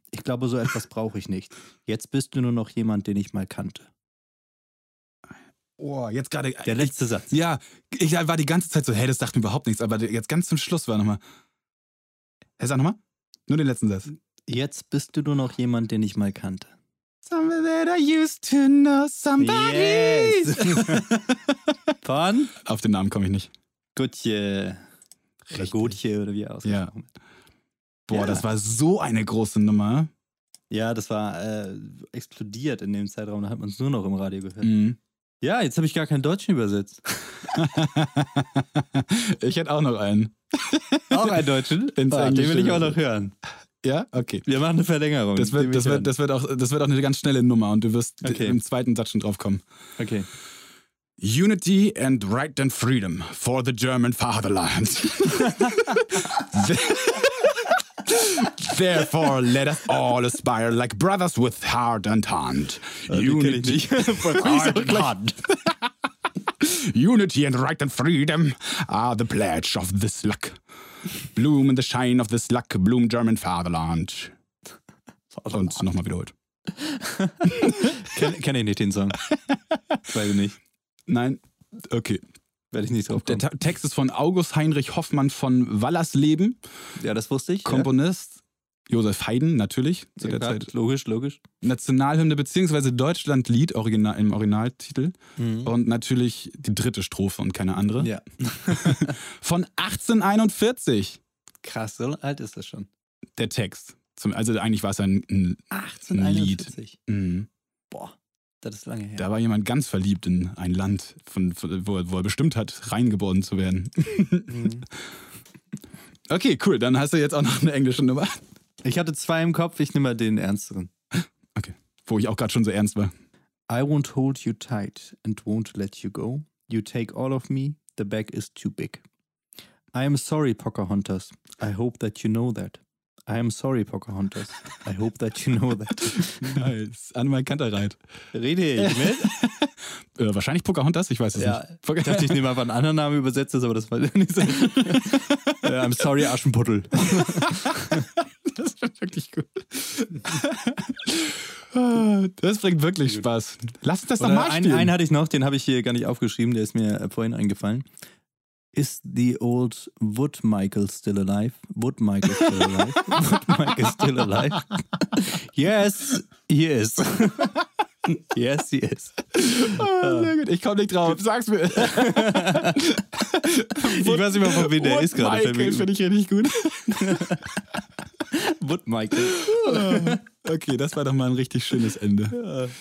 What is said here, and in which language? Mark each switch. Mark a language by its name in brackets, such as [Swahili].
[German] Ich glaube, so etwas brauche ich nicht. Jetzt bist du nur noch jemand, den ich mal kannte. Oh, jetzt gerade... Der letzte Satz. Ja, ich war die ganze Zeit so, hey, das sagt mir überhaupt nichts, aber jetzt ganz zum Schluss war nochmal... Hey, sag nochmal, nur den letzten Satz. Jetzt bist du nur noch jemand, den ich mal kannte. [English] Somebody that I used to know somebody. Yes. [German] Von? Auf den Namen komme ich nicht. Gutje. Gutje oder wie er ausgesprochen hat. Boah, das war so eine große Nummer. Ja, das war explodiert in dem Zeitraum. Da hat man es nur noch im Radio gehört. Mhm. Ja, jetzt habe ich gar keinen Deutschen übersetzt. Ich hätte auch noch einen. Auch einen Deutschen? Den will ich auch noch hören. Ja, okay. Wir machen eine Verlängerung. Das wird auch eine ganz schnelle Nummer und du wirst im zweiten Satz schon drauf kommen. Okay. [English] Unity and right and freedom for the German fatherland. Therefore let us all aspire like brothers with heart and hand. Unity and heart and hand. Unity and right and freedom are the pledge of this luck. Bloom in the shine of this luck, bloom German fatherland. [German] Und nochmal wiederholt. kenn ich nicht den Song. Weiß ich nicht. Nein, okay. Werde ich nicht drauf kommen. Der Text ist von August Heinrich Hoffmann von Wallersleben. Ja, das wusste ich. Komponist. Josef Haydn, natürlich, zu der Zeit. Logisch, logisch. Nationalhymne, beziehungsweise Deutschlandlied original, im Originaltitel. Mhm. Und natürlich die dritte Strophe und keine andere. Ja. Von 1841. Krass, so alt ist das schon. Der Text. Also eigentlich war es ein 1841. Lied. Mhm. Boah, das ist lange her. Da war jemand ganz verliebt in ein Land, wo er bestimmt hat, reingeboren zu werden. Mhm. Okay, cool. Dann hast du jetzt auch noch eine englische Nummer. Ich hatte zwei im Kopf, ich nehme mal den ernsteren. Okay, wo ich auch gerade schon so ernst war. [English] I won't hold you tight and won't let you go. You take all of me, the bag is too big. I am sorry, Pocahontas, I hope that you know that. I am sorry, Pocahontas, I hope that you know that. [German] Nice, Animal Canterreit. Rede ich mit? wahrscheinlich Pocahontas, ich weiß es ja, nicht. Ich dachte, ich nehme einfach einen anderen Namen übersetzt, aber das war nicht so. [English] I'm sorry, Aschenputtel. [German] Das ist wirklich gut. Das bringt wirklich Spaß. Lass uns das nochmal spielen. Einen hatte ich noch, den habe ich hier gar nicht aufgeschrieben, der ist mir vorhin eingefallen. [English] Is the old Wood Michael still alive? Wood Michael still alive? Wood Michael still alive? Yes, he is. Yes, he is. [German] Oh, sehr gut. Ich komme nicht drauf. Sag's mir. Ich weiß nicht mehr, von wem der ist gerade. Wood Michael finde ich richtig gut. Wood Michael. Okay, das war doch mal ein richtig schönes Ende.